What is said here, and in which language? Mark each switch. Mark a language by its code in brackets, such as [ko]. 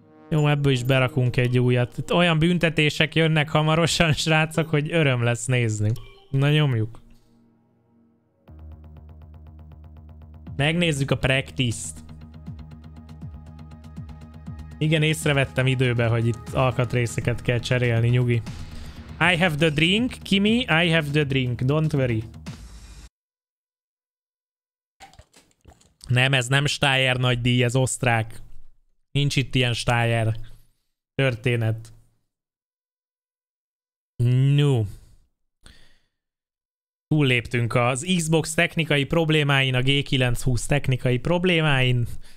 [hu] Jó, ebből is berakunk egy újat. Itt olyan büntetések jönnek hamarosan, srácok, hogy öröm lesz nézni. Na, nyomjuk. Megnézzük a practice-t. Igen, észrevettem időben, hogy itt alkatrészeket kell cserélni, nyugi. [en] I have the drink, Kimi, I have the drink, don't worry. [hu] Nem, ez nem Steyr nagy díj, ez osztrák. Nincs itt ilyen Steyr történet. No. Túlléptünk az Xbox technikai problémáin, a G920 technikai problémáin.